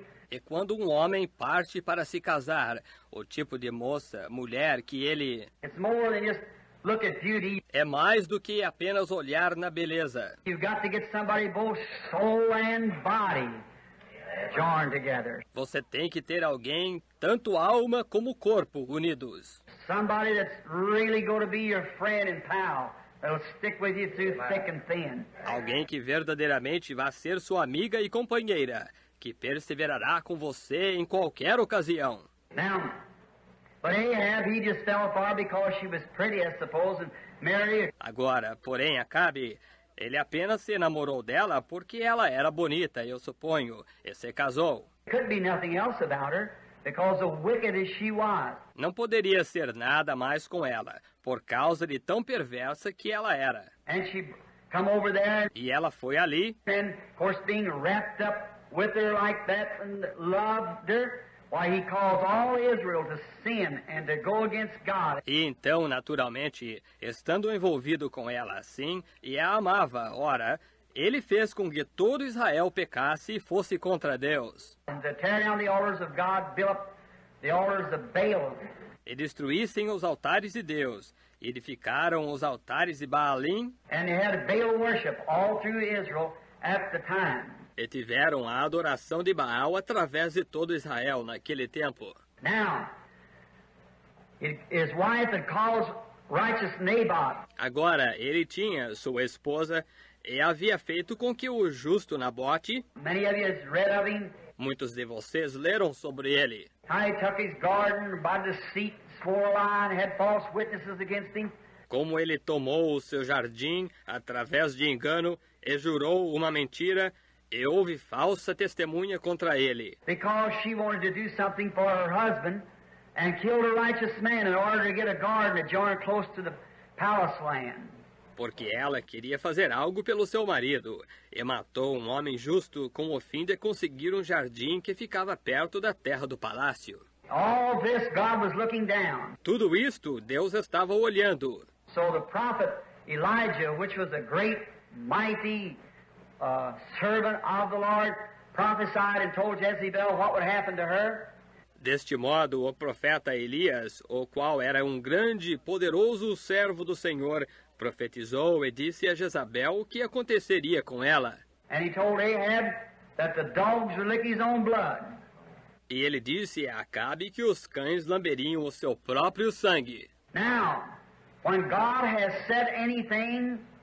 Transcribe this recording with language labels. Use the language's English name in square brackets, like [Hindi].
[Portuguese] E quando um homem parte para se casar, o tipo de moça, mulher que ele... [English] It's more than just look at beauty. [Portuguese] É mais do que apenas olhar na beleza. [English] You've got to get somebody both soul and body joined together. [Portuguese] Você tem que ter alguém, tanto alma como corpo, unidos. [English] Somebody that's really going to be your friend and pal. That'll stick with you through thick and thin. [Portuguese] Alguém que verdadeiramente vá ser sua amiga e companheira, que perseverará com você em qualquer ocasião. [English] Now, but Ahab, he just fell far because she was pretty, I suppose, and married. [Portuguese] Agora, porém, Acabe, ele apenas se namorou dela porque ela era bonita, eu suponho, e se casou. [English] Could be nothing else about her. Because of wicked as she was. [Portuguese] Não poderia ser nada mais com ela, por causa de tão perversa que ela era. [English] And she come over there. [Portuguese] E ela foi ali. [English] And of course being wrapped up with her like that and loved her. Why he calls all Israel to sin and to go against God. [Portuguese] E então, naturalmente, estando envolvido com ela assim, e a amava, ora, ele fez com que todo Israel pecasse e fosse contra Deus. [English] And to tear down the altars of God, build up the altars of Baal. [Portuguese] E destruíssem os altares de Deus, edificaram os altares de Baalim. [English] And they had Baal worship all through Israel at the time. [Portuguese] E tiveram a adoração de Baal através de todo Israel naquele tempo. [English] Now, his wife had called righteous Naboth. [Portuguese] Agora, ele tinha sua esposa e havia feito com que o justo Nabote. [English] Many of you have read of him. [Portuguese] Muitos de vocês leram sobre ele. [English] How he took his garden by deceit, swore a lie, and had false witnesses against him. [Portuguese] Como ele tomou o seu jardim através de engano e jurou uma mentira. E houve falsa testemunha contra ele. [English] Because she wanted to do something for her husband and killed a righteous man in order to get a garden adjoining close to the palace land. [Portuguese] Porque ela queria fazer algo pelo seu marido e matou um homem justo com o fim de conseguir um jardim que ficava perto da terra do palácio. [English] All this God was looking down. [Portuguese] Tudo isto Deus estava olhando. [English] So the prophet Elijah, which was a great, mighty servant of the Lord, prophesied and told Jezebel what would happen to her. [Portuguese] Deste modo, o profeta Elias, o qual era um grande e poderoso servo do Senhor, profetizou e disse a Jezabel o que aconteceria com ela. [English] And he told Ahab that the dogs would lick his own blood. [Portuguese] E ele disse a Acabe que os cães lamberiam o seu próprio sangue. [English] Now, when God has said anything,